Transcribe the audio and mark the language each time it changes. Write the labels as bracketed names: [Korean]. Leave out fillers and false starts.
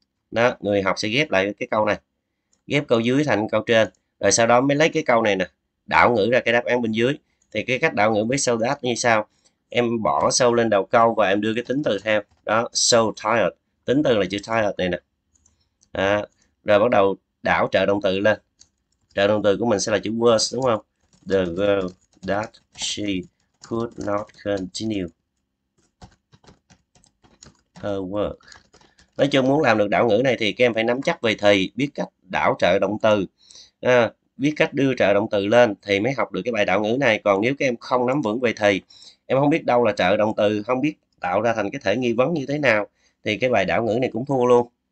[Vietnamese] Đó, người học sẽ ghép lại cái câu này, ghép câu dưới thành câu trên, rồi sau đó mới lấy cái câu này nè đảo ngữ ra cái đáp án bên dưới. Thì cái cách đảo ngữ với so that như sau: em bỏ sâu lên đầu câu và em đưa cái tính từ theo đó, [English] so tired, [Vietnamese] tính từ là chữ tired này nè. À, rồi bắt đầu đảo trợ động từ lên, trợ động từ của mình sẽ là chữ was đúng không? [English] The girl that she could not continue her work. [Vietnamese] Nói chung muốn làm được đảo ngữ này thì các em phải nắm chắc về thì, biết cách đảo trợ động từ, biết cách đưa trợ động từ lên thì mới học được cái bài đảo ngữ này. Còn nếu các em không nắm vững về thì, em không biết đâu là trợ động từ, không biết tạo ra thành cái thể nghi vấn như thế nào thì cái bài đảo ngữ này cũng thua luôn.